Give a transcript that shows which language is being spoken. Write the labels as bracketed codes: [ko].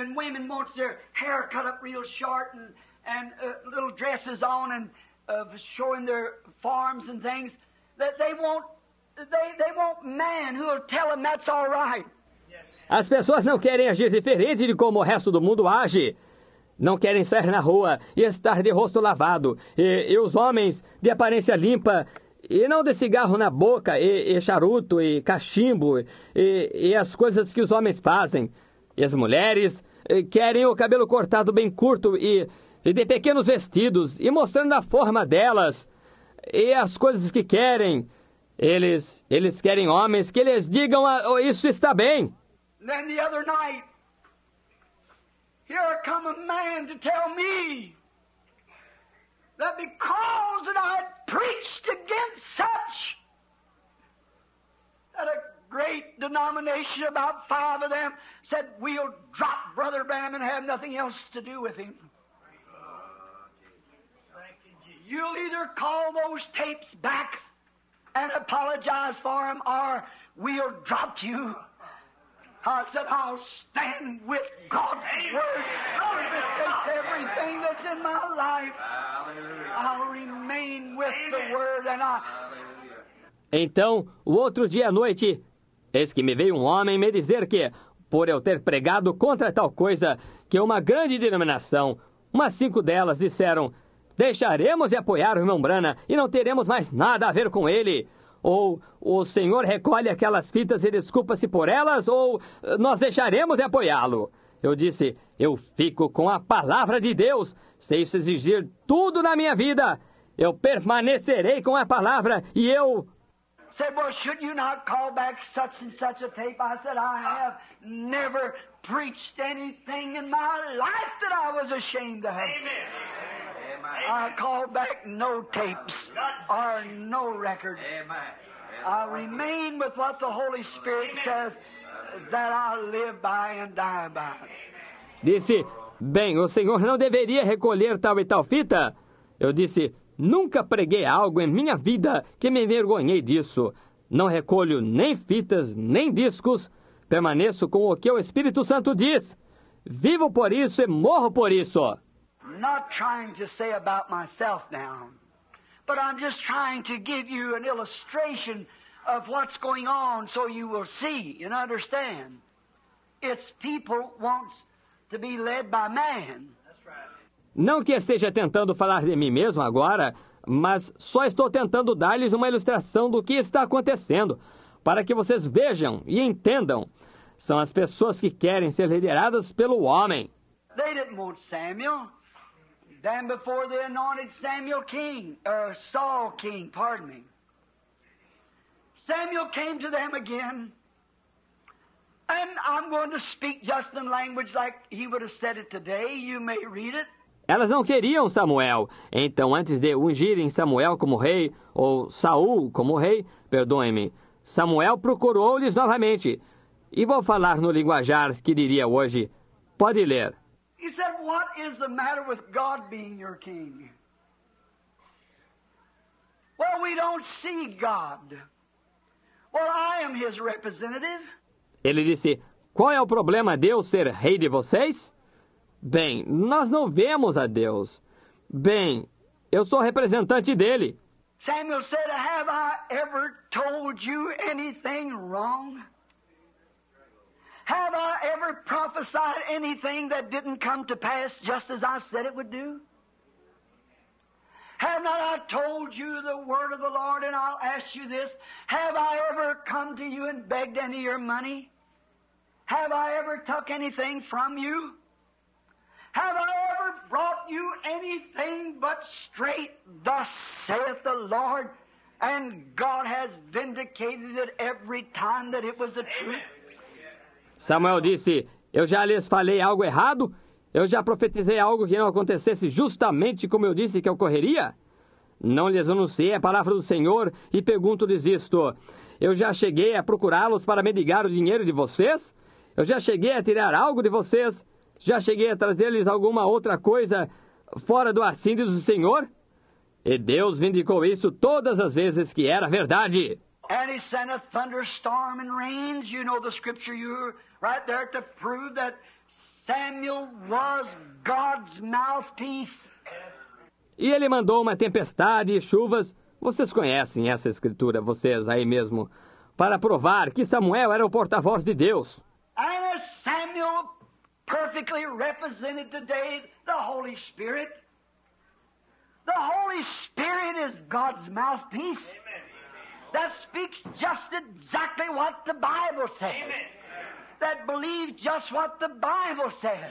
[en] And women want their hair cut up real short and little dresses on and of showing their forms and things, that they want man who will tell them that's all right. [pt] As pessoas não querem agir diferente de como o resto do mundo age. Não querem sair na rua e estar de rosto lavado. E os homens de aparência limpa e não de cigarro na boca e charuto e cachimbo e as coisas que os homens fazem. E as mulheres querem o cabelo cortado bem curto e de pequenos vestidos, e mostrando a forma delas, e as coisas que querem, Eles querem homens que eles digam, oh, isso está bem. [en] Then the other night, here come a man to tell me that because that I had preached against such, that a great denomination, about five of them, said we'll drop Brother Branham and have nothing else to do with him. You'll either call those tapes back and apologize for him, or we'll drop you. I said, I'll stand with God's word. If it takes everything that's in my life, I'll remain with the word. And I... [pt] Então, o outro dia à noite, eis que me veio um homem me dizer que, por eu ter pregado contra tal coisa, que uma grande denominação, umas cinco delas, disseram, deixaremos de apoiar o irmão Branham e não teremos mais nada a ver com ele. Ou o senhor recolhe aquelas fitas e desculpa-se por elas, ou nós deixaremos de apoiá-lo. Eu disse, eu fico com a palavra de Deus. Se isso exigir tudo na minha vida, eu permanecerei com a palavra e eu... [en] Said, well, should you not call back such and such a tape? I said, I have never preached anything in my life that I was ashamed of. Amen. I call back no tapes or no records. I remain with what the Holy Spirit says that I live by and die by. [pt] Disse, bem, o senhor não deveria recolher tal e tal fita? Eu disse, nunca preguei algo em minha vida que me envergonhei disso. Não recolho nem fitas, nem discos. Permaneço com o que o Espírito Santo diz. Vivo por isso e morro por isso. [en] Not trying to say about myself now, but I'm just trying to give you an illustration of what's going on so you will see and understand. It's people wants to be led by man. [pt] Não que esteja tentando falar de mim mesmo agora, mas só estou tentando dar-lhes uma ilustração do que está acontecendo, para que vocês vejam e entendam. São as pessoas que querem ser lideradas pelo homem. [en] They didn't want Samuel. Then before the anointed Samuel king, Saul king, pardon me. Samuel came to them again. And I'm going to speak just in language like he would have said it today. You may read it. [pt] Elas não queriam Samuel. Então, antes de ungirem Samuel como rei, ou Saul como rei, perdoe-me, Samuel procurou-lhes novamente. E vou falar no linguajar que diria hoje. Pode ler. [en] He said, what is the matter with God being your king? Well, we don't see God. Well, I am his representative. [pt] Ele disse, qual é o problema de Deus ser rei de vocês? Bem, nós não vemos a Deus. Bem, eu sou representante dele. [en] Samuel said, have I ever told you anything wrong? Have I ever prophesied anything that didn't come to pass just as I said it would do? Have not I told you the word of the Lord, and I'll ask you this, have I ever come to you and begged any of your money? Have I ever took anything from you? Have I ever brought you anything but straight, thus saith the Lord, and God has vindicated it every time that it was the truth? [pt] Samuel disse, eu já lhes falei algo errado? Eu já profetizei algo que não acontecesse justamente como eu disse que ocorreria? Não lhes anunciei a palavra do Senhor e pergunto-lhes isto. Eu já cheguei a procurá-los para mendigar o dinheiro de vocês? Eu já cheguei a tirar algo de vocês? Já cheguei a trazer-lhes alguma outra coisa fora do arcíndio do Senhor? E Deus vindicou isso todas as vezes que era verdade. [en] And he sent a thunderstorm and rains. You know the scripture you're right there to prove that Samuel was God's mouthpiece. [pt] E ele mandou uma tempestade e chuvas. Vocês conhecem essa escritura, vocês aí mesmo, para provar que Samuel era o porta-voz de Deus. [en] And as Samuel perfectly represented today the Holy Spirit. The Holy Spirit is God's mouthpiece. Amen. That speaks just exactly what the Bible says. Amen. That believes just what the Bible says.